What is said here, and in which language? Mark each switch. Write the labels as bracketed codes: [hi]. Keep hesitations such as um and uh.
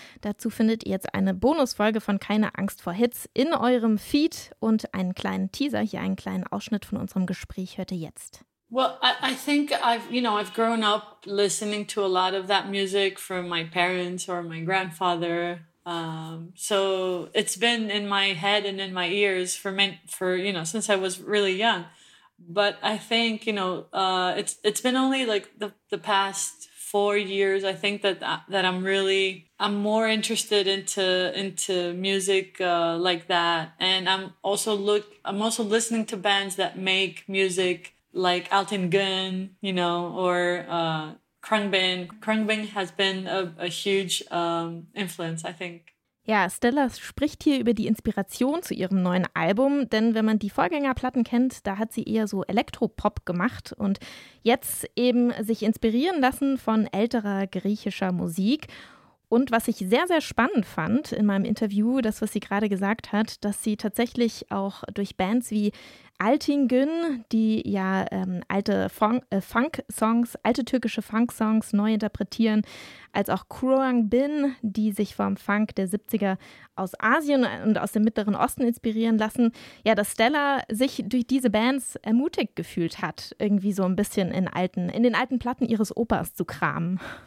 [de] Dazu findet ihr jetzt eine Bonusfolge von Keine Angst vor Hits in eurem Feed und einen kleinen Teaser, hier einen kleinen Ausschnitt von unserem Gespräch hört ihr jetzt. [en] Well, I, I think I've, you know, I've grown up listening to a lot of that music from my parents or my grandfather. Um, so it's been in my head and in my ears for, my, for you know, since I was really young. but I think you know uh, it's it's been only like the, the past four years I think that that I'm really I'm more interested into into music uh, like that and I'm also look I'm also listening to bands that make music like Alton Gun you know or uh, Krungbin Krungbin has been a, a huge um, influence I think. [de] Ja, Stella spricht hier über die Inspiration zu ihrem neuen Album, denn wenn man die Vorgängerplatten kennt, da hat sie eher so Elektropop gemacht und jetzt eben sich inspirieren lassen von älterer griechischer Musik. Und was ich sehr, sehr spannend fand in meinem Interview, das, was sie gerade gesagt hat, dass sie tatsächlich auch durch Bands wie Altingün, die ja ähm, alte Funk-Songs, alte türkische Funk-Songs neu interpretieren, als auch Kruang Bin, die sich vom Funk der 70er aus Asien und aus dem Mittleren Osten inspirieren lassen, ja, dass Stella sich durch diese Bands ermutigt gefühlt hat, irgendwie so ein bisschen in, alten, in den alten Platten ihres Opas zu kramen.